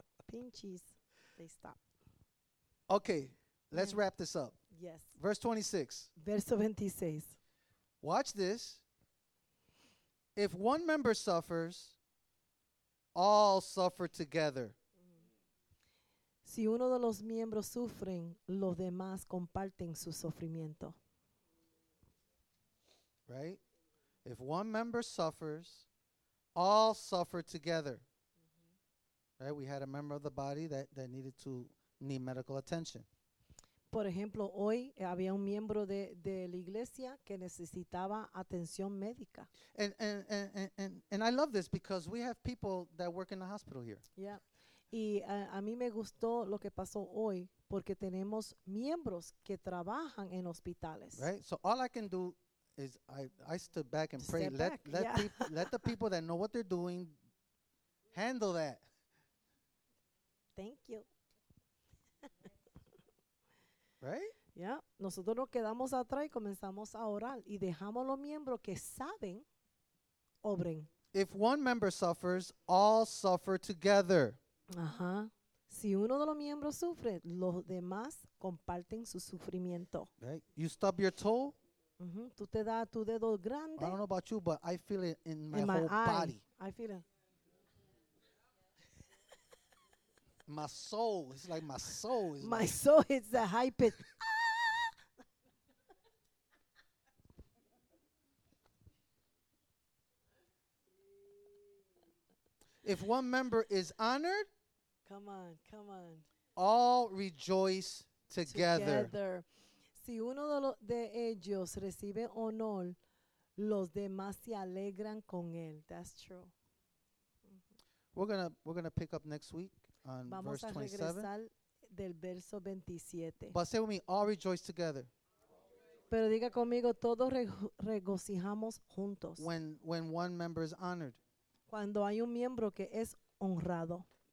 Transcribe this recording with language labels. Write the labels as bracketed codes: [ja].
[en] Pinches. They stop. Okay. Let's wrap this up. Yes. Verse 26. [es] Verso 26. [en] Watch this. If one member suffers, all suffer together. [es] Si uno de los miembros sufren, los demás comparten su sufrimiento. [en] Right? If one member suffers, all suffer together. Mm-hmm. Right? We had a member of the body that needed to need medical attention. [es] Por ejemplo, hoy había un miembro de la iglesia que necesitaba atención médica. [en] And I love this because we have people that work in the hospital here. Yeah. [es] Y a mí me gustó lo que pasó hoy porque tenemos miembros que trabajan en hospitales. [en] Right? So all I can do is I stood back and prayed. Let the people that know what they're doing handle that. Thank you. Right? Yeah. [es] Nosotros nos quedamos atrás y comenzamos a orar y dejamos los miembros que saben obren. [en] If one member suffers, all suffer together. Ajá. [es] Si uno de los miembros sufre, los demás comparten su sufrimiento. [en] Right? You stub your toe. [es] Mm-hmm. Tú te da tu dedo grande. [en] I don't know about you, but I feel it in my whole eye. Body. I feel it. My soul. It's like my soul. Is my like soul hits the high pitch. If one member is honored, come on, come on. All rejoice together. Together. [es] Si uno de ellos recibe honor, los demás se alegran con él. [en] That's true. We're gonna pick up next week on [es] Vamos [en] verse 27. [es] Del verso 27. [en] But say with me, all rejoice together. [es] Pero diga conmigo, todos regocijamos juntos. [en] When one member is honored. [es] Cuando hay un miembro que es honrado.